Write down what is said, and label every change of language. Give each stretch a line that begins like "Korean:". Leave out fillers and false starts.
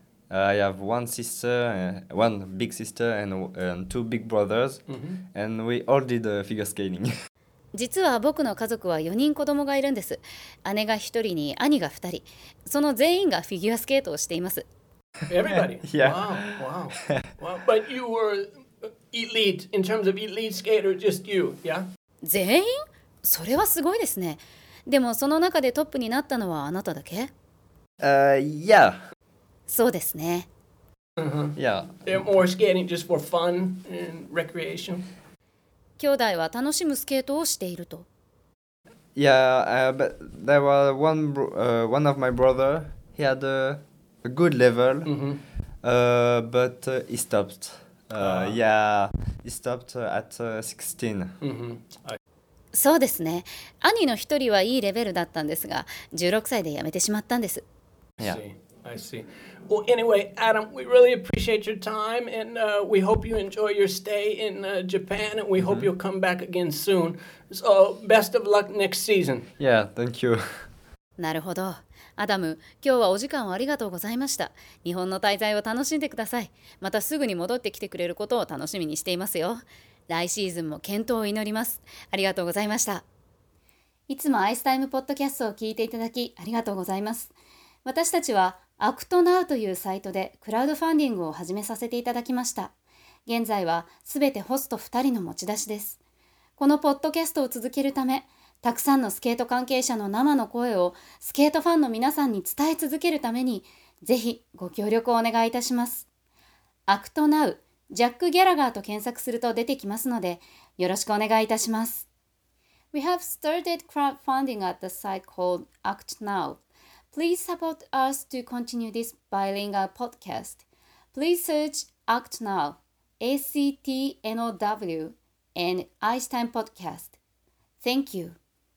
English: I have one sister, one big sister, and two big brothers, and we all did figure skating.
Japanese: 実は僕の家族は4人子供がいるんです。姉が1人に兄が2人。その全員がフィギュアスケートをしています。
English: Everybody? Yeah. Wow. But you were elite, in terms of elite skater, just you, yeah?
Japanese: 全員？それはすごいですね。でもその中でトップになったのはあなただけ？
English: Yeah.
Japanese: そうですね。
English: They're more skating just for fun and recreation.
Japanese: 兄弟は楽しむスケートをしていると。
English: Yeah, but there was one, one of my brother. He had a good level, but he stopped. He stopped at 16.
Japanese: そうですね。兄の一人はいいレベルだったんですが、16歳でやめてしまったんです。
English: Yeah. I see. Well, anyway, Adam, we really appreciate your time, and we hope you enjoy your stay in Japan, and we hope you'll come back again soon. So, best of luck next season. Yeah, thank you.
Japanese: なるほど。アダム、今日はお時間をありがとうございました。日本の滞在を楽しんでください。またすぐに戻ってきてくれることを楽しみにしていますよ。来シーズンも健闘を祈ります。ありがとうございました。いつもアイスタイムポッドキャストを聞いていただきありがとうございます。私たちはアクトナウというサイトでクラウドファンディングを始めさせていただきました。現在はすべてホスト2人の持ち出しです。このポッドキャストを続けるため、たくさんのスケート関係者の生の声をスケートファンの皆さんに伝え続けるために、ぜひご協力をお願いいたします。アクトナウ、ジャック・ギャラガーと検索すると出てきますので、よろしくお願いいたします。
English: We have started crowdfunding at the site called Act Now. Please support us to continue this bilingual podcast. Please search Act Now, ACTNOW, and Ice Time Podcast. Thank you.